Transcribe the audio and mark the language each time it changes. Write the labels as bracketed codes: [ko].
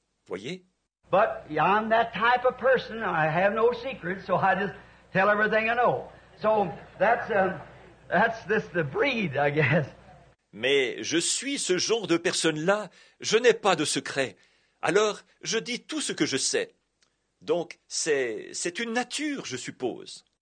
[fr] Voyez? [en] But I'm that type of person. I have no secrets, so I just tell everything I know. So that's this the breed, I guess. [fr] Mais je suis ce genre de personne-là, je n'ai pas de secret. Alors, je dis tout ce que je sais. Donc, c'est une nature, je suppose.